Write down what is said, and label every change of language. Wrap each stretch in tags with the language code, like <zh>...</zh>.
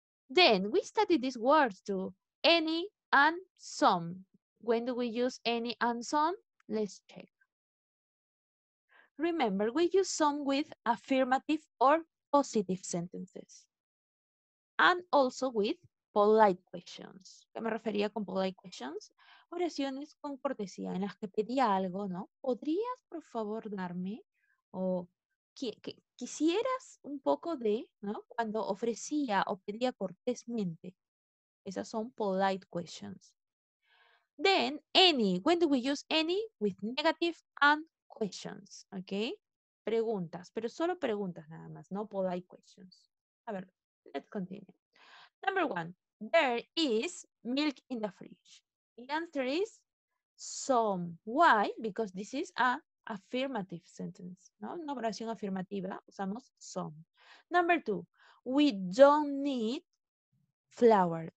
<en>Then we studied these words too, any and some. When do we use any and some? Let's check. Remember, we use some with affirmative or positive sentences, and also with polite questions.</en> <es>¿Qué me refería con polite questions? Oraciones con cortesía, en las que pedía algo, ¿no? ¿Podrías, por favor, darme? O quisieras un poco de, ¿no? Cuando ofrecía o pedía cortésmente. Esas son polite questions.</es> <en>Then, any. When do we use any? With negative and questions, okay?</en> <es>Preguntas, pero solo preguntas nada más, no polite questions. A ver,</es> <en>let's continue. Number one, there is milk in the fridge. The answer is some. Why? Because this is a affirmative sentence, ¿no?</en> <es>Una oración afirmativa, usamos</es> <en>some. Number two, we don't need flour.</en>